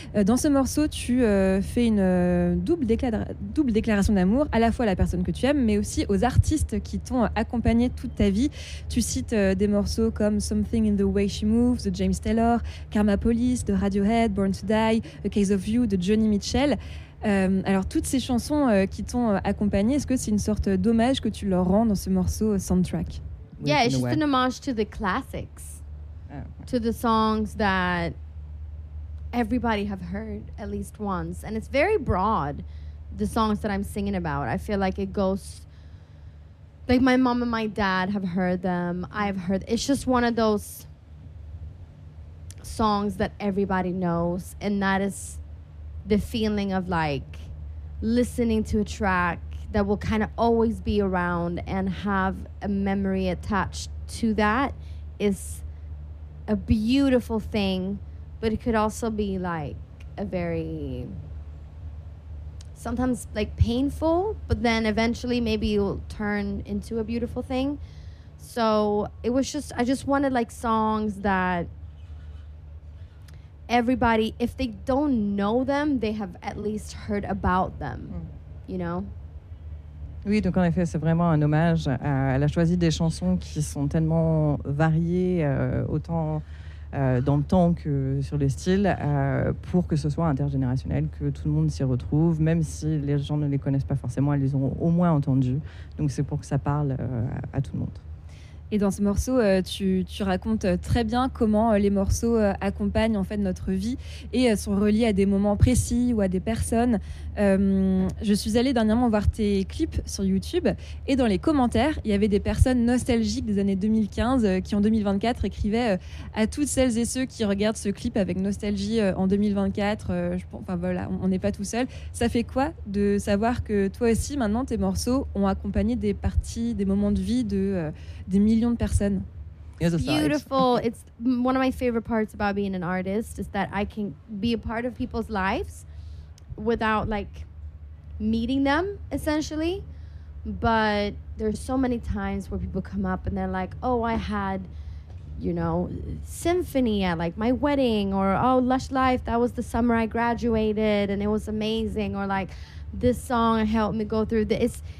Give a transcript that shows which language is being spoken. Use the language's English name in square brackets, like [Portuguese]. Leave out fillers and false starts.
[French] Dans ce morceau, tu fais une double déclaration d'amour, à la fois à la personne que tu aimes, mais aussi aux artistes qui t'ont accompagné toute ta vie. Tu cites des morceaux comme Something in the Way She Moves de James Taylor, Karma Police de Radiohead, Born to Die, A Case of You de Joni Mitchell. Alors toutes ces chansons qui t'ont accompagnée, est-ce que c'est une sorte d'hommage que tu leur rends dans ce morceau soundtrack? [English] Yeah, it's just an homage to the classics, to the songs that everybody have heard at least once, and it's very broad. The songs that I'm singing about, I feel like it goes. Like, my mom and my dad have heard them. I've heard... It's just one of those songs that everybody knows. And that is the feeling of, like, listening to a track that will kind of always be around and have a memory attached to that is a beautiful thing. But it could also be, like, a very... sometimes like painful, but then eventually maybe it'll turn into a beautiful thing. So it was just, I just wanted like songs that everybody, if they don't know them, they have at least heard about them, you know? [French] Oui, donc en effet, c'est vraiment un hommage. Elle a choisi des chansons qui sont tellement variées, autant dans le temps que sur les styles, pour que ce soit intergénérationnel, que tout le monde s'y retrouve, même si les gens ne les connaissent pas forcément, elles les ont au moins entendues. Donc c'est pour que ça parle à tout le monde. Et dans ce morceau, tu racontes très bien comment les morceaux accompagnent en fait notre vie et sont reliés à des moments précis ou à des personnes. Je suis allée dernièrement voir tes clips sur YouTube et dans les commentaires, il y avait des personnes nostalgiques des années 2015 qui en 2024 écrivaient à toutes celles et ceux qui regardent ce clip avec nostalgie en 2024. Enfin voilà, on n'est pas tout seul. Ça fait quoi de savoir que toi aussi maintenant tes morceaux ont accompagné des parties, des moments de vie de des millions de personnes? [English] It's beautiful. It's one of my favorite parts about being an artist is that I can be a part of people's lives without like meeting them essentially. But there's so many times where people come up and they're like, oh, I had, you know, symphony at like my wedding, or oh, Lush Life, that was the summer I graduated and it was amazing, or like this song helped me go through this.